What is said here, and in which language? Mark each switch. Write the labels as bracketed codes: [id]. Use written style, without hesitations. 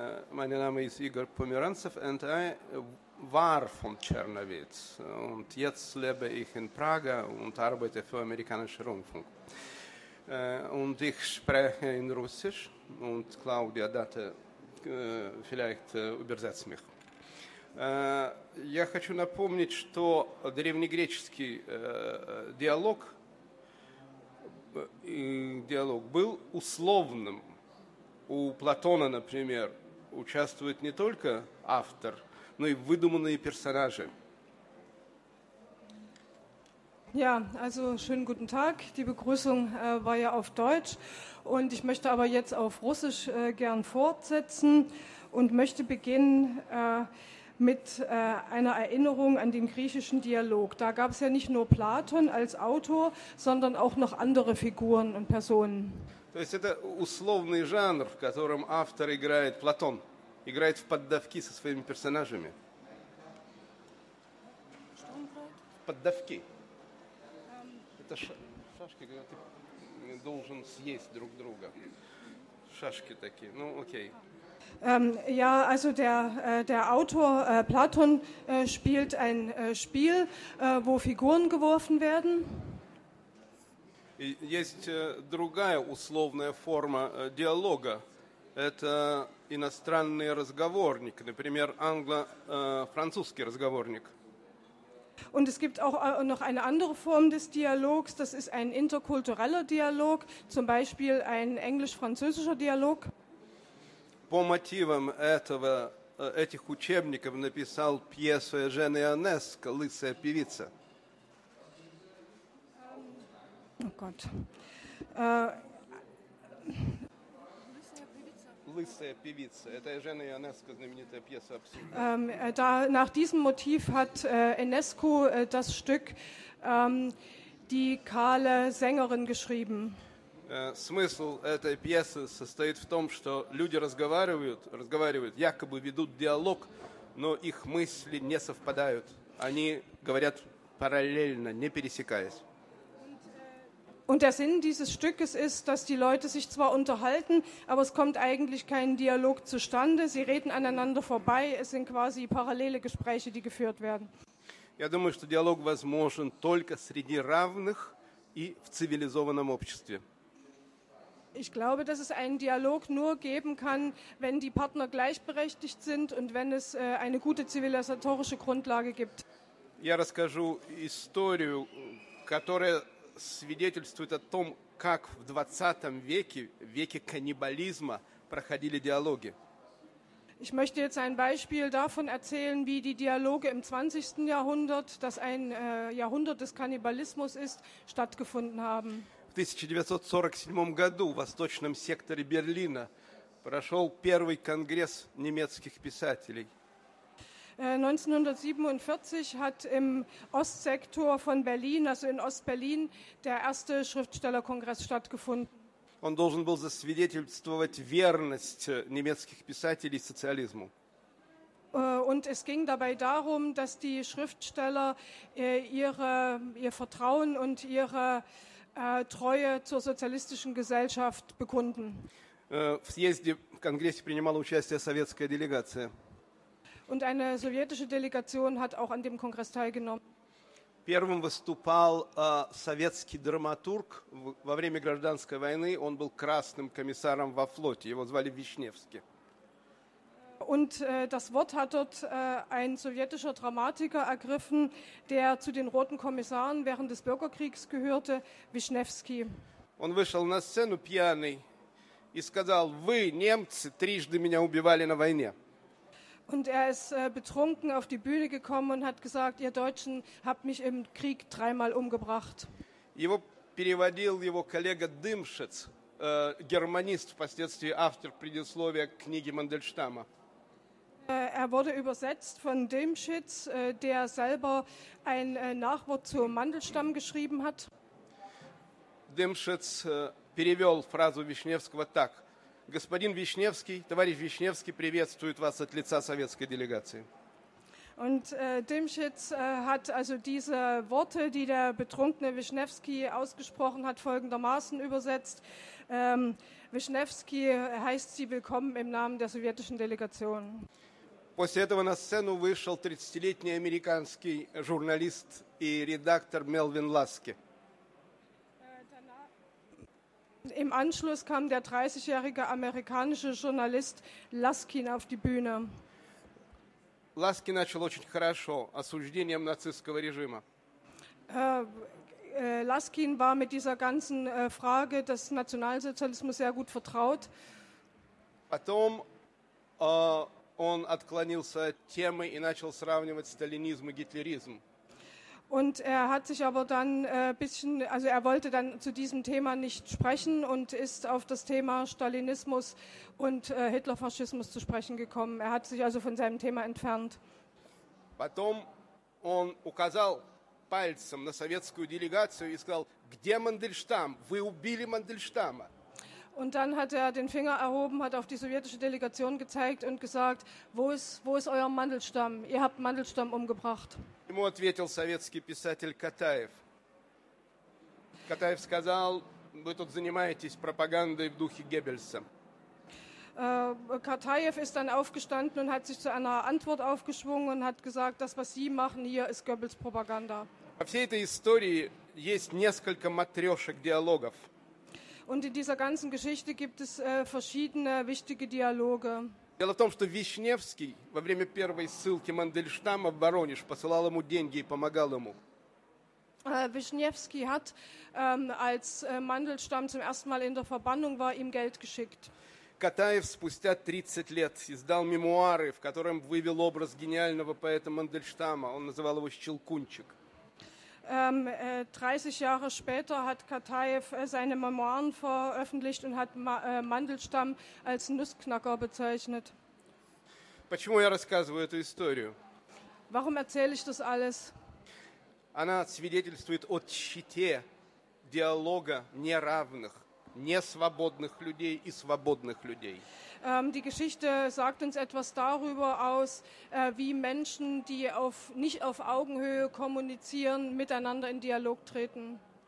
[de] Mein Name ist Igor Pomeranzev und ich war von Czernowitz. Und jetzt lebe ich in Prager und arbeite für amerikanischen Rundfunk. Und ich spreche in Russisch und Claudia Date vielleicht übersetzt mich. [ru] Я хочу напомнить, что древнегреческий диалог был условным. У Платона, например, участвует не только автор, но и выдуманные персонажи. [de] Ja, also schönen guten Tag. Die Begrüßung war ja auf Deutsch und ich möchte aber jetzt auf Russisch gern fortsetzen und möchte beginnen mit einer Erinnerung an den griechischen Dialog. Da gab es ja nicht nur Platon als Autor, sondern auch noch andere Figuren und Personen. [ru] То есть это условный жанр, в котором автор играет, Платон, играет в поддавки со своими персонажами. Что он играет? В поддавки. Это шашки, когда ты должен съесть друг друга. Шашки такие, ну окей. [de] Ja, also der Autor Platon spielt ein Spiel, wo Figuren geworfen werden. [ru] Есть другая условная форма диалога. Это иностранный разговорник, например, англо-французский разговорник. [de] Und es gibt auch noch eine andere Form des Dialogs, das ist ein interkultureller Dialog, zum Beispiel ein englisch-französischer Dialog. [ru] По мотивам этих учебников написал пьесу Эжена Ионеско «Лысая певица». [de] Oh Gott. [ru] Лысая певица. Это Эжена Ионеско, знаменитая пьеса. [de] Nach diesem Motiv hat Ionesco das Stück Die kahle Sängerin geschrieben. [ru] Смысл этой пьесы состоит в том, что люди разговаривают, якобы ведут диалог, но их мысли не совпадают. Они говорят параллельно, не пересекаясь. [de] Und der Sinn dieses Stückes ist, dass die Leute sich zwar unterhalten, aber es kommt eigentlich kein Dialog zustande. Sie reden aneinander vorbei. Es sind quasi parallele Gespräche, die geführt werden. [ru] Я думаю, что диалог возможен только среди равных и в цивилизованном обществе. [de] Ich glaube, dass es einen Dialog nur geben kann, wenn die Partner gleichberechtigt sind und wenn es eine gute zivilisatorische Grundlage gibt. [ru] Я расскажу историю, которая свидетельствует о том, как в 20 веке, в веке каннибализма, проходили диалоги. [de] Ich möchte jetzt ein Beispiel davon erzählen, wie die Dialoge im 20. Jahrhundert, das ein Jahrhundert des Kannibalismus ist, stattgefunden haben. [ru] В 1947 году в восточном секторе Берлина прошел первый конгресс немецких писателей. [de] 1947 hat im Ostsektor von Berlin, also in Ost-Berlin, der erste Schriftstellerkongress stattgefunden. [ru] Он должен был засвидетельствовать верность немецких писателей социализму. [de] Und es ging dabei darum, dass die Schriftsteller ihr Vertrauen und ihre Treue zur sozialistischen Gesellschaft bekunden. [ru] В съезде, в конгрессе принимала участие советская делегация. [de] Und eine sowjetische Delegation hat auch an dem Kongress teilgenommen. [ru] Первым выступал советский драматург во время гражданской войны. Он был красным комиссаром во флоте. Его звали Вишневский. [de] Und das Wort hat dort ein sowjetischer Dramatiker ergriffen, der zu den roten Kommissaren während des Bürgerkriegs gehörte, Вишневский. [ru] Он вышел на сцену пьяный и сказал: «Вы, немцы, трижды меня убивали на войне». [de] Und er ist betrunken auf die Bühne gekommen und hat gesagt, ihr Deutschen habt mich im Krieg dreimal umgebracht. [ru] Его переводил его коллега Дымшиц, германист, впоследствии автор предисловия к книге Мандельштама. [de] Er wurde übersetzt von Demschitz, der selber ein Nachwort zu Mandelstamm geschrieben hat. [ru] Demschitz перевел фразу Вишневского так: Господин Вишневский, товарищ Вишневский приветствует вас от лица советской делегации. [de] Und Demschitz hat also diese Worte, die der betrunkene Wischnewski ausgesprochen hat, folgendermaßen übersetzt. Wischnewski heißt Sie willkommen im Namen der sowjetischen Delegation. [ru] После этого на сцену вышел 30-летний американский журналист и редактор Мелвин Ласки. [de] Im Anschluss kam der 30-jährige amerikanische Journalist Laskin auf die Bühne. [ru] Ласки начал очень хорошо осуждением нацистского режима. [de] Ласкин war mit dieser ganzen Frage des Nationalsozialismus sehr gut vertraut. [ru] Потом он отклонился от темы и начал сравнивать сталинизм и гитлеризм. [de] Und er hat sich aber dann bisschen, also er wollte dann zu diesem Thema nicht sprechen und ist auf das Thema Stalinismus und Hitlerfaschismus zu sprechen gekommen. Er hat sich also von seinem Thema entfernt. [ru] Потом он указал пальцем на советскую делегацию и сказал: "Где Мандельштам? Вы убили Мандельштама." [de] Und dann hat er den Finger erhoben, hat auf die sowjetische Delegation gezeigt und gesagt: wo ist euer Mandelstamm? Ihr habt Mandelstamm umgebracht." [ru] Ему ответил советский писатель Катаев. Катаев сказал: "Вы тут занимаетесь пропагандой в духе Геббельса." [de] Катаев ist dann aufgestanden und hat sich zu einer Antwort aufgeschwungen und hat gesagt: "Das, was Sie machen hier, ist Goebbels Propaganda." [ru] Во всей этой истории есть несколько матрешек диалогов. [de] Und in dieser ganzen Geschichte gibt es verschiedene wichtige Dialoge. [ru] Дело в том, что Вишневский во время первой ссылки Мандельштама в Воронеж посылал ему деньги и помогал ему. [de] Вишневский hat, als Мандельштам zum ersten Mal in der Verbannung war, ihm Geld geschickt. [ru] Катаев спустя 30 лет издал мемуары, в котором вывел образ гениального поэта Мандельштама. Он называл его «Щелкунчик». [de] 30 Jahre später hat Katajew seine Memoiren veröffentlicht und hat Mandelstamm als Nussknacker bezeichnet. [ru] Почему я рассказываю эту историю? [de] Warum erzähle ich das alles? [ru] Она свидетельствует о тщете диалога неравных, несвободных людей и свободных людей. [de] Die Geschichte sagt uns etwas darüber aus, wie Menschen, die auf, nicht auf Augenhöhe kommunizieren, miteinander in Dialog treten.